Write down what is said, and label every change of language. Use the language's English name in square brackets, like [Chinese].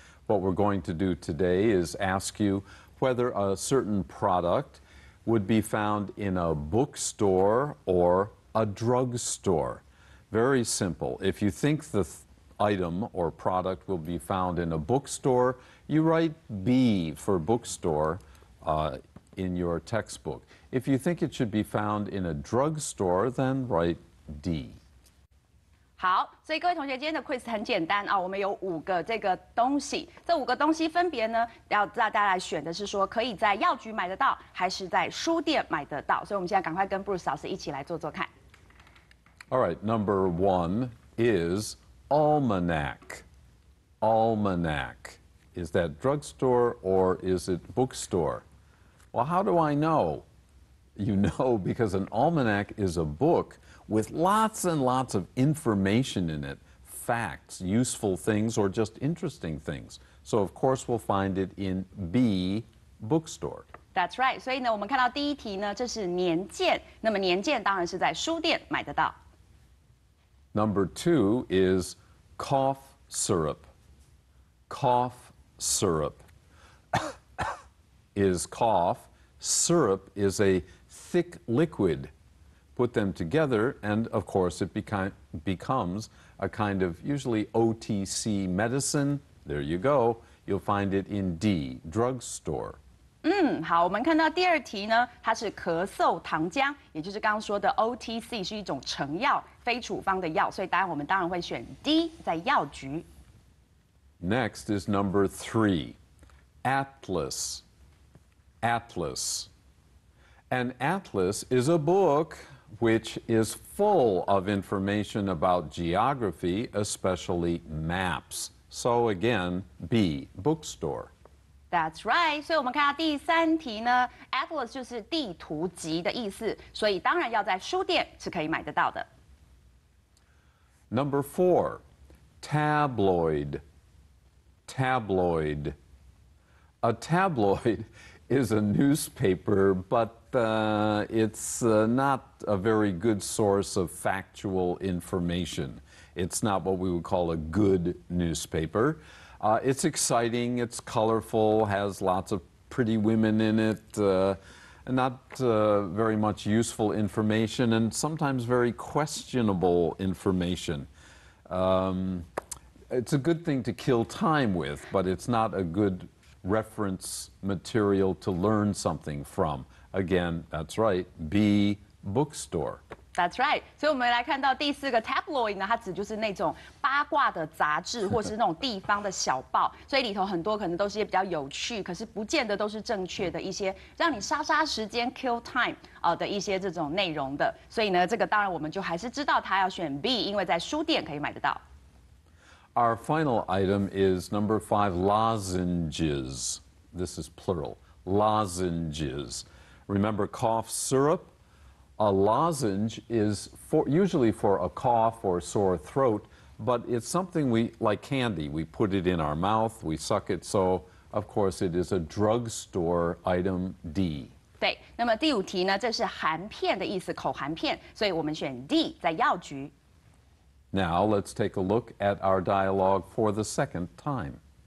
[English] What we're going to do today is ask you,whether a certain product would be found in a bookstore or a drugstore. Very simple. If you think the item or product will be found in a bookstore, you write B for bookstore in your textbook. If you think it should be found in a drugstore, then write D. [Chinese] 好，所以各位同学，今天的 quiz 很简单我们有五个这个东西，这五个东西分别呢，要让大家来选的是说，可以在药局买得到，还是在书店买得到？所以我们现在赶快跟 Bruce 老师一起来做做看。 [English] All right, number one is almanac. Almanac, is that drugstore or is it bookstore? Well, how do I know? You know because an almanac is a book. With lots and lots of information in it, facts, useful things, or just interesting things. So, of course, we'll find it in B, bookstore. That's right. [Chinese] 所以呢，我们看到第一题呢，这是年鉴。那么年鉴当然是在书店买得到。 [English] Number two is cough syrup. Cough syrup is cough. Syrup is a thick liquid. Put them together, and of course, it becomes a kind of usually OTC medicine. There you go. You'll find it in D, drugstore. [Chinese] 嗯，好，我们看到第二题呢，它是咳嗽糖浆，也就是刚刚说的 OTC 是一种成药，非处方的药，所以当然我们当然会选 D, 在药局。 [English] Next is number three, Atlas. Atlas. An atlas is a book. Which is full of information about geography, especially maps. So again, B, bookstore. That's right. [Chinese] 所以我们看到第三题呢 ，Atlas 就是地图集的意思，所以当然要在书店是可以买得到的。 [English] Number four, tabloid. Tabloid. A tabloid is a newspaper, but it's not a very good source of factual information. It's not what we would call a good newspaper. It's exciting, it's colorful, has lots of pretty women in it, not very much useful information, and sometimes very questionable information. It's a good thing to kill time with, but it's not a good reference material to learn something from. Again, that's right, B, bookstore. That's right. [Chinese] 所以我们来看到第四个 tabloid 呢，它指就是那种八卦的杂志，或是那种地方的小报。所以里头很多可能都是一些比较有趣，可是不见得都是正确的一些让你杀杀时间 [English] kill time [Chinese] 的一些这种内容的。所以呢，这个当然我们就还是知道它要选 B， 因为在书店可以买得到。 [English] Our final item is number five lozenges. This is plural lozenges. Remember cough syrup. A lozenge is usually for a cough or a sore throat, but it's something we, like candy, we put it in our mouth, we suck it, so of course it is a drugstore item D. [Chinese] 对，那么第五题呢，这是含片的意思，口含片，所以我们选 D, 在药局。 [English] Now let's take a look at our dialogue for the second time.